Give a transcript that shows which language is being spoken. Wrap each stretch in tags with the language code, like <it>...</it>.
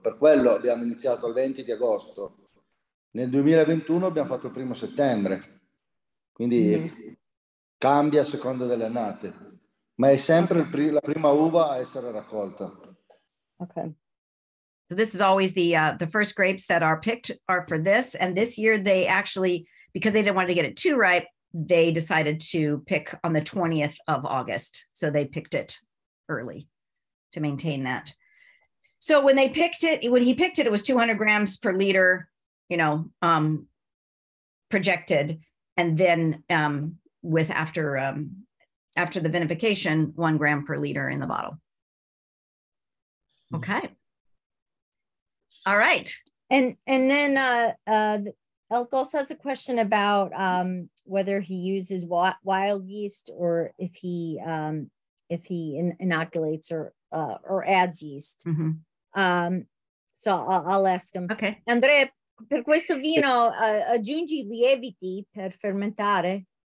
<it>Per quello abbiamo iniziato il 20 di agosto. Nel 2021 abbiamo fatto il 1 settembre, quindi cambia a seconda delle annate, ma è sempre la prima uva a essere raccolta. Ok.</it> <en>So this is always the first grapes that are picked are for this, and this year they actually, because they didn't want to get it too ripe, they decided to pick on the 20th of August, so they picked it early to to maintain that. So when they picked it, when he picked it, it was 200 grams per liter, you know, projected. And then with after the vinification, 1 gram per liter in the bottle. Okay. All right. And then Elk also has a question about whether he uses wild yeast or if he inoculates or adds yeast. Mm-hmm. So I'll ask him. Okay.</en> <it>Andrea, per questo vino aggiungi lieviti per fermentare?</it>